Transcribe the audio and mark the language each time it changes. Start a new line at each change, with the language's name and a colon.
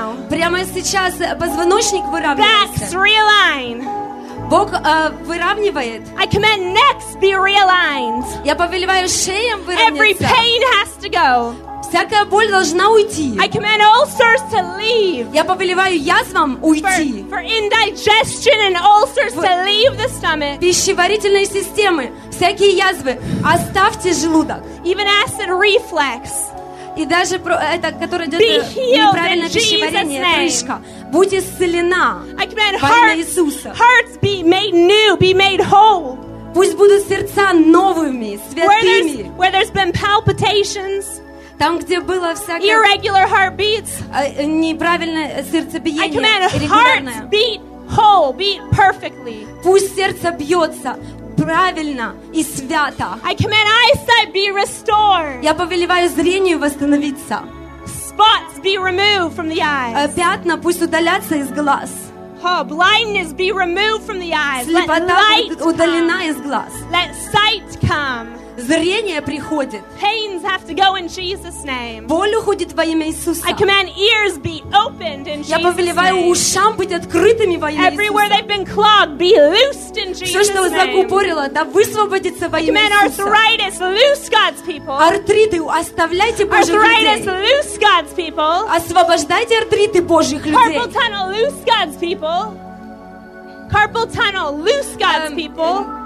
Russian: Прямо сейчас позвоночник выравнивается. Бог выравнивает.
English: I command necks be realigned.
Russian: Я повелеваю шеям выровняться.
English: Every pain has to go.
Russian: Всякая боль должна уйти.
English: I command ulcers to leave.
Russian: Я повелеваю язвам уйти.
English: For indigestion and ulcers to leave the stomach.
Russian: Пищеварительной системы всякие язвы оставьте желудок.
English: Even acid reflux.
Russian: И даже это, которое идет неправильное пищеварение, крышка. Будь исцелена во имя Иисуса.
English: Hearts be made new, be made whole.
Russian: Пусть будут сердца новыми, святыми.
English: Where there's been palpitations.
Russian: Там, где было всякое
English: irregular heartbeats,
Russian: неправильное сердцебиение.
English: I command hearts beat whole, beat perfectly.
Russian: Пусть сердце бьется правильно и свято.
English: I command eyesight be restored.
Russian: Я повелеваю зрению восстановиться.
English: Spots be removed from the eyes.
Russian: Пятна пусть удалятся из глаз.
English: Blindness be removed from the eyes.
Russian: Слепота будет удалена из глаз.
English: Let sight come.
Russian: Зрение приходит.
English: Pains have to go in Jesus name.
Russian: Боль уходит во имя Иисуса.
English: I command ears be opened in Jesus name.
Russian: Я повелеваю ушам быть открытыми во имя Иисуса.
English: Everywhere they've been clogged be loosed in Jesus name.
Russian: Все, что закупорило, да высвободится во имя Иисуса.
English: I command arthritis loose God's people.
Russian: Артриты оставляйте Божьих людей.
English: Arthritis loose God's people.
Russian: Освобождайте артриты Божьих людей.
English: Carpal tunnel loose God's people. Carpal tunnel loose God's people.